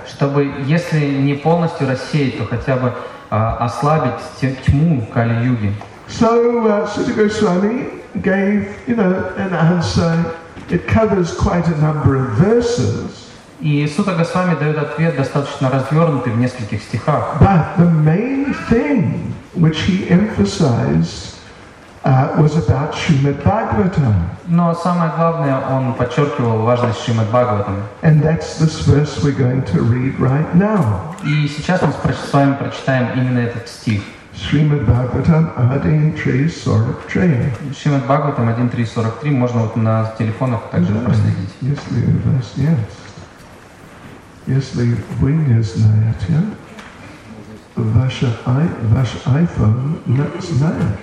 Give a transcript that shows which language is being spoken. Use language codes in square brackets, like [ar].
[ru] Чтобы, если не полностью рассеять, то хотя бы ослабить тьму Кали-юги. [en] So Sita Goswami gave, an answer. It covers quite a number of verses. [ru] И Сута Госвами дает ответ достаточно развернутый в нескольких стихах. [en] But the main thing which he emphasized was about Shrimad Bhagavatam. [ru] Но самое главное, он подчеркивал важность Шримад Бхагаватам. [en] And that's this verse we're going to read right now. [ru] И сейчас мы с вами прочитаем именно этот стих. [en] Shrimad Bhagavatam 1.3.43. [ru] Shrimad Bhagavatam 1.3.43 можно вот на телефонах также проследить. Если у вас нет, если вы не знаете, ваш iPhone не знает.